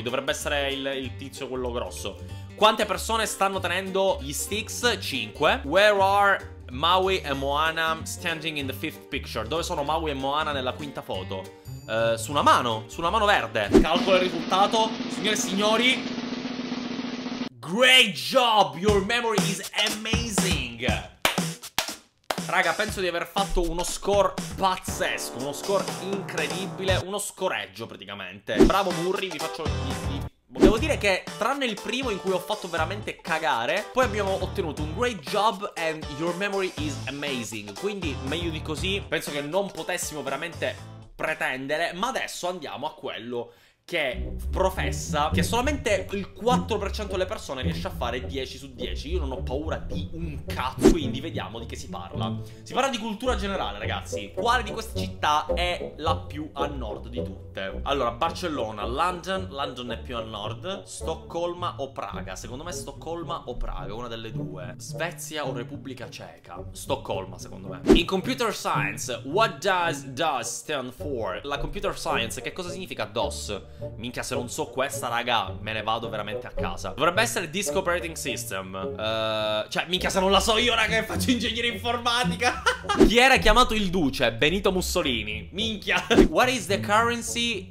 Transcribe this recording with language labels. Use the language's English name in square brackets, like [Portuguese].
[Italian] Dovrebbe essere il tizio quello grosso. Quante persone stanno tenendo gli sticks? 5. [English] Where are Maui e Moana standing in the fifth picture? [Italian] Dove sono Maui e Moana nella quinta foto? Su una mano verde. Calcolo il risultato, signore e signori. [English] Great job, your memory is amazing. [Italian] Raga, penso di aver fatto uno score pazzesco, uno score incredibile, uno scoreggio praticamente. Bravo Murri, vi faccio gli... Devo dire che tranne il primo in cui ho fatto veramente cagare, poi abbiamo ottenuto un [English] great job and your memory is amazing. [Italian] Quindi meglio di così, penso che non potessimo veramente pretendere. Ma adesso andiamo a quello che professa che solamente il 4% delle persone riesce a fare 10 su 10. Io non ho paura di un cazzo. Quindi vediamo di che si parla. Si parla di cultura generale, ragazzi. Quale di queste città è la più a nord di tutte? Allora, Barcellona, London. London è più a nord. Stoccolma o Praga? Secondo me Stoccolma o Praga, una delle due. Svezia o Repubblica Ceca? Stoccolma, secondo me. [English] In computer science, what does stand for? [Italian] La computer science, che cosa significa DOS? Minchia, se non so questa, raga, me ne vado veramente a casa. Dovrebbe essere Disk Operating System. Cioè, minchia, se non la so io, raga, che faccio ingegneria informatica. Chi era chiamato il duce? Benito Mussolini. Minchia. [English] What is the currency?